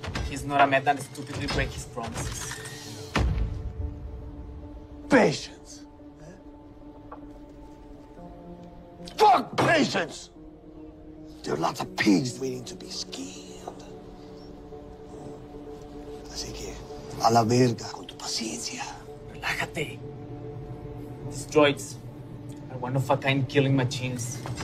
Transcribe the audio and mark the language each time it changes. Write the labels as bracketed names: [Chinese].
[English] He's not a man that stupidly break his promises. Patience. Huh? Fuck patience! There are lots of pigs waiting to be skinned. [Spanish] Así que, a la verga con tu paciencia. Relájate. [English] These droids are one of a kind killing machines.